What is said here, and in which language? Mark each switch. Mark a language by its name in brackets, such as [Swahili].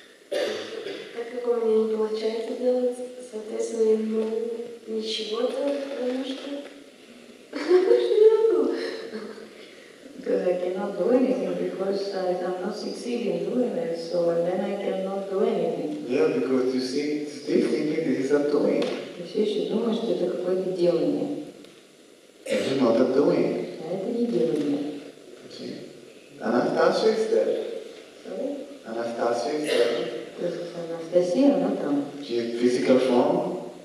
[Russian] Так как у меня не получается делать, соответственно, я не могу ничего-то, потому что... [English] I cannot do anything because I'm not succeeding doing it, so then I cannot do anything. Yeah, because you see, still thinking this is a doing. [Russian] Ты все еще думаешь, что это какое-то делание. [English] It is not a doing. [Russian] А это не делание. [English] See? Анастасия is there. Sorry? Анастасия is there. [Russian] Анастасия, она там. [English] She is physical form.